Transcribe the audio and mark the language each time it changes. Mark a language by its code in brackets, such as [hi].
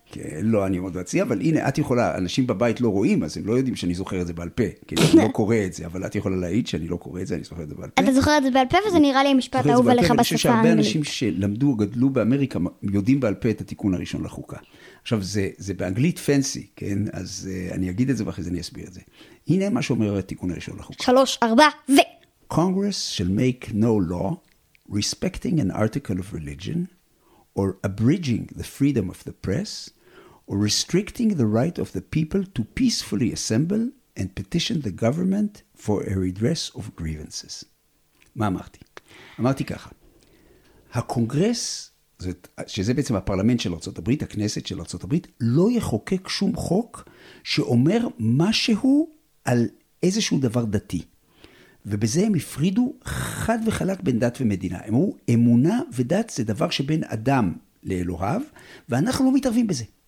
[he] כן, לא, אני עמוד ותצדיע, אבל הנה, את יכולה, אנשים בבית לא רואים, אז הם לא יודעים שאני זוכר את זה בעל פה, כי אני לא קורא את זה, אבל את יכולה להעיד שאני לא קורא את זה, אני זוכר את זה בעל פה. אתה זוכר את זה בעל פה, וזה נראה לי משפט אהוב עליך בשפה. אני חושב שהרבה אנשים שלמדו או גדלו באמריקה יודעים בעל פה את התיקון הראשון לחוקה. עכשיו, זה באנגלית פנסי, כן? אז אני אגיד את זה ואחרי זה אני אסביר את זה. הנה מה שאומר התיקון הראשון לחוקה. 3, 4, ו... [en] Congress shall make no law respecting an article of religion or abridging the freedom of the press or restricting the right of the people to peacefully assemble and petition the government for a redress of grievances. [he] מה אמרתי? אמרתי ככה. הקונגרס, שזה בעצם הפרלמנט של ארצות הברית, הכנסת של ארצות הברית, לא יחוקק שום חוק שאומר משהו על איזשהו דבר דתי. ובזה הם הפרידו חד וחלק בין דת ומדינה. הם אמרו, אמונה ודת זה דבר שבין אדם לאלוהיו, ואנחנו לא מתערבים בזה.